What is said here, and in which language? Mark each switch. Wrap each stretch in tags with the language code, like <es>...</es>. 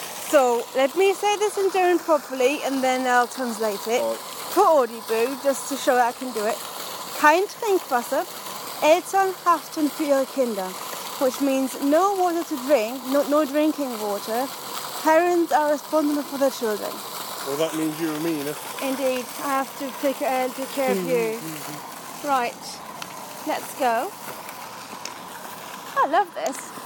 <en>So let me say this in German properly and then I'll translate it. For Audiboo, just to show that I can do it.</en> <de>Kein Trinkwasser. Eltern haften für ihre Kinder.</de> <en>Which means no water to drink, no drinking water. Parents are responsible for their children. Well, that means you and me, innit? Indeed, I have to take care of you. Right, let's go. I love this.</en>